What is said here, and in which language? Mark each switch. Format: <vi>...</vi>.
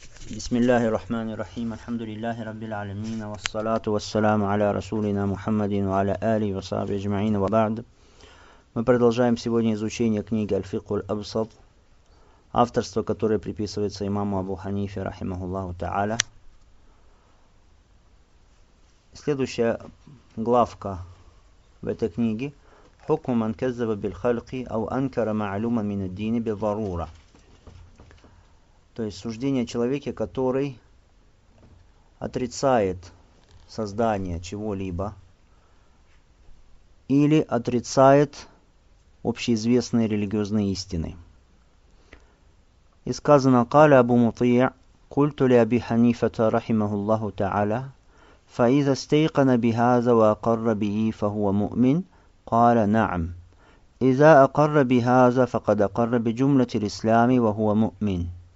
<ar>بسم الله الرحمن الرحيم الحمد لله رب العالمين والصلاة والسلام على رسولنا محمد وعلى آله وصحبه أجمعين وبعد.</ar> <ru>Мы продолжаем сегодня изучение книги Аль-Фикху Аль-Абсад, авторство которой приписывается имаму Абу Ханифе рахимахуллаху тааля. Следующая главка в этой книге: Хукм ман каззаба биль-халки ау анкара маълума мин ад-дини бид-дарура. То есть суждение о человеке, который отрицает создание чего-либо или отрицает общеизвестные религиозные истины. И сказано:</ru> <ar>قال أبو مطيع قلت لأبي حنيفة رحمه الله تعالى فإذا استيقن بهذا وأقر به فهو مؤمن قال نعم إذا أقر بهذا فقد أقر بجملة الإسلام وهو مؤمن</ar>